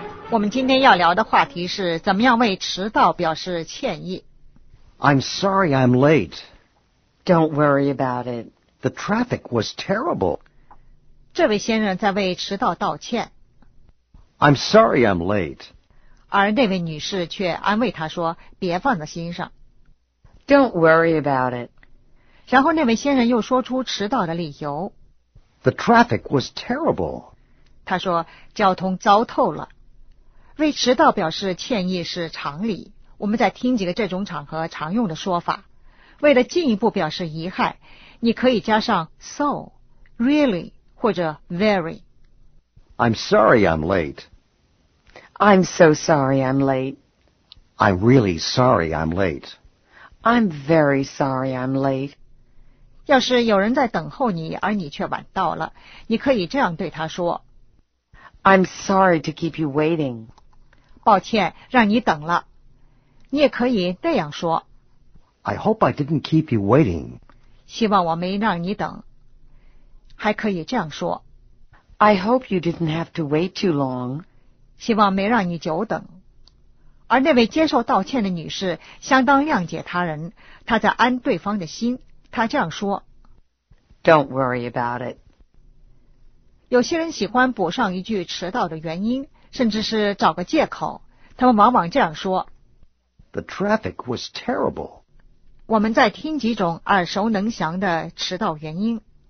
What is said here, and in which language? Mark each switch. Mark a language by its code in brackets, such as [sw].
[zh] 我们今天要聊的话题是怎么样为迟到表示歉意。 [en] I'm sorry I'm late. Don't worry about it. The traffic was terrible. [zh] 这位先生在为迟到道歉。 [en] I'm sorry I'm late. [zh] 而那位女士却安慰她说别放在心上。 [en] Don't worry about it. [zh] 然后那位先生又说出迟到的理由。 [en] The traffic was terrible. [zh] 他说交通糟透了。为迟到表示歉意是常理，我们再听几个这种场合常用的说法。为了进一步表示遗憾，你可以加上 so, really, 或者 very. [en] I'm sorry I'm late. I'm so sorry I'm late. I'm really sorry I'm late. I'm very sorry I'm late. [zh] 要是有人在等候你，而你却晚到了，你可以这样对他说。 [en] I'm sorry to keep you waiting. [zh] 抱歉让你等了。你也可以这样说。 [en] I hope I didn't keep you waiting. [zh] 希望我没让你等。还可以这样说。 [en] I hope you didn't have to wait too long. [zh] 希望没让你久等。而那位接受道歉的女士相当谅解他人，她在安对方的心，她这样说。 [en] Don't worry about it. [zh] 有些人喜欢补上一句迟到的原因，甚至是找个借口，他们往往这样说。 [en] The traffic was terrible. [zh] 我们再听几种耳熟能详的迟到原因。